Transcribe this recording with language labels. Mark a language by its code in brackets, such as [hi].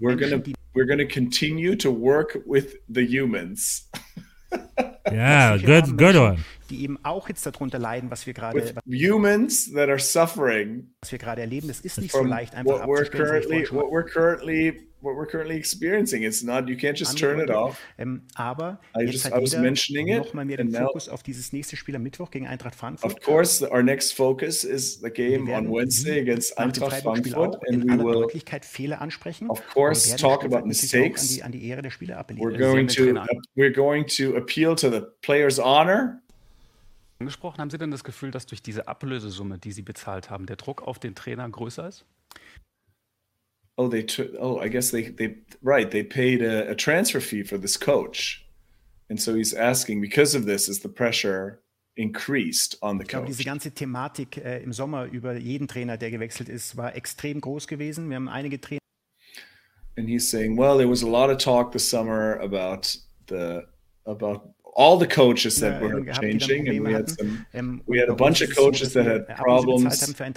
[en] We're gonna continue to work with the humans. Yeah, good one. [de] Die eben auch jetzt darunter leiden, was wir gerade. [en] Humans that are suffering. [de] Was wir gerade erleben, das ist nicht so leicht einfach abzuspielen. [en] What we're currently experiencing, it's not. You can't just turn it off. [de] Aber nochmal mehr den Fokus auf dieses nächste Spiel am Mittwoch gegen Eintracht Frankfurt. [en] Of course, our next focus is the game on Wenednesday against Eintracht Frankfurt, and we will. [de] In Deutlichkeit Fehler ansprechen. [en] Of course, talk about mistakes. [de] An die Ehre der Spieler appellieren. [en] We're going to appeal to the player's honor. [de] Angesprochen, haben Sie denn das Gefühl, dass durch diese Ablösesumme, die Sie bezahlt haben, der Druck auf den Trainer größer ist? [en] They paid a transfer fee for this coach. And so he's asking, because of this, is the pressure increased on the coach? [de] Ich glaube, diese ganze Thematik im Sommer über jeden Trainer, der gewechselt ist, war extrem groß gewesen. Wir haben einige Trainer. [en] And he's saying, well, there was a lot of talk this summer about the all the coaches that were changing, and we had a bunch of coaches that had problems.